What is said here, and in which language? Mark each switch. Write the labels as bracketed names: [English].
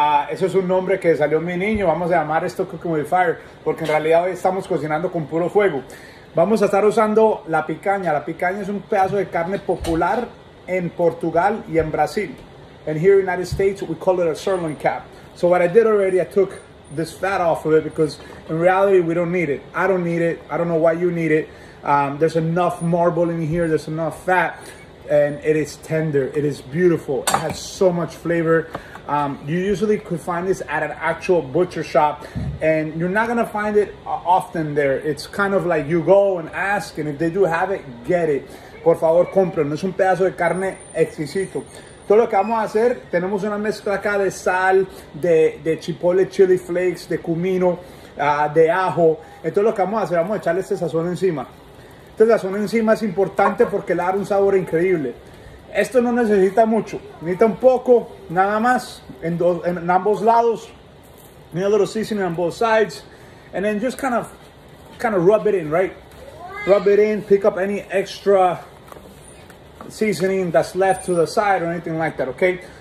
[Spanish] Eso es un nombre que salió mi niño. Vamos a llamar esto Cooking with Fire porque en realidad hoy estamos cocinando con puro fuego. Vamos a estar usando la picaña. La picaña es un pedazo de carne popular en Portugal y en Brasil. [English] And here in the United States, we call it a sirloin cap. So what I did already, I took this fat off of it because in reality, we don't need it. I don't need it. I don't know why you need it. There's enough marble in here. There's enough fat. And it is tender. It is beautiful. It has so much flavor. You usually could find this at an actual butcher shop. And you're not going to find it often there. It's kind of like you go and ask. And if they do have it, get it. [Spanish] Por favor, compren. Es un pedazo de carne exquisito. Todo lo que vamos a hacer, tenemos una mezcla acá de sal, de [English] chipotle chili flakes, [Spanish] de comino, de ajo. Entonces lo que vamos a hacer, vamos a echarle este sazón encima. Este sazón encima es importante porque le da un sabor increíble. Esto no necesita mucho, necesita un poco, nada más, en ambos lados. [English] Need a little seasoning on both sides. And then just kind of rub it in, right? Rub it in, pick up any extra seasoning that's left to the side or anything like that, okay?